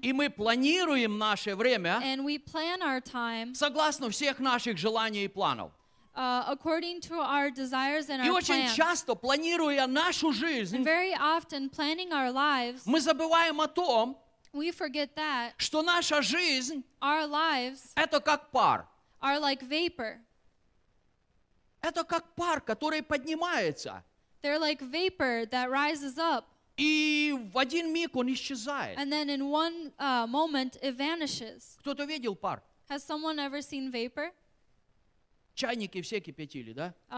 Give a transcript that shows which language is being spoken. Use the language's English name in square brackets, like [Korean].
[Russian] и мы планируем наше время, [English] and we plan our time [Russian] согласно всех наших желаний и планов. [English] According to our desires and our [Russian] и очень [English] plans. [Russian] Часто, планируя нашу жизнь, [English] and very often planning our lives, [Russian] мы забываем о том, [English] we forget that [Russian] что наша жизнь, [English] our lives [Russian] это как пар, [English] are like vapor. [Russian] Это как пар, который поднимается. [English] They're like vapor that rises up. [Russian] И в один миг он исчезает. [English] And then in one moment it vanishes. [Russian] Кто-то видел пар? [English] Has someone ever seen vapor? [Russian] Чайники все кипятили, да?